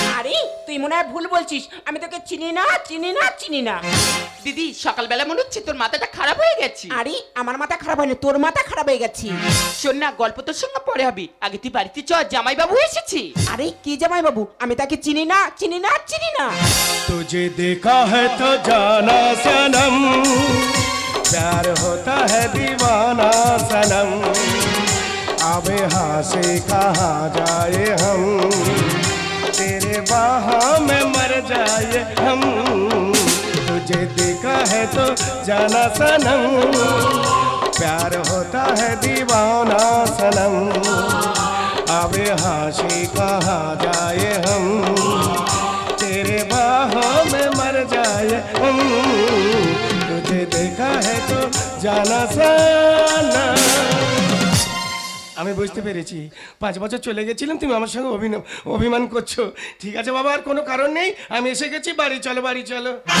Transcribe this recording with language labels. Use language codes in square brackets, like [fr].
[bn] আরে তুই মনে হয় ভুল বলছিস, আমি তোকে চিনি না চিনি না চিনি না। দিদি সকালবেলা মনে হচ্ছে তোর মাথাটা খারাপ হয়ে গেছে। আরে আমার মাথা খারাপ হয়নি, তোর মাথা খারাপ হয়ে গেছে। শোন না, গল্প তোর সঙ্গে পরে হবে, আগে তুই বাড়িতে চ, জামাইবাবু এসেছি। আরে কি জামাইবাবু, আমি তাকে চিনি না চিনি না চিনি না। [hi] তুঝে দেখা হ্যায় তো জানা সনম, প্যার হোতা হ্যায় দিওয়ানা সনম, अब यहाँ से कहाँ जाए हम, तेरे बाहों में मर जाए हम, तुझे देखा है तो जाना सनम, प्यार होता है दीवाना सनम, अब यहाँ से कहाँ जाए हम, तेरे बाहों में मर जाए हम, तुझे देखा है तो जाना सनम। [bn] আমি বুঝতে পেরেছি, 5 বছর চলে গেছিলাম, তুমি আমার সঙ্গে অভিমান করছো। ঠিক আছে বাবা, আর কোনো কারণ নেই, আমি এসে গেছি, বাড়ি চলো বাড়ি চলো।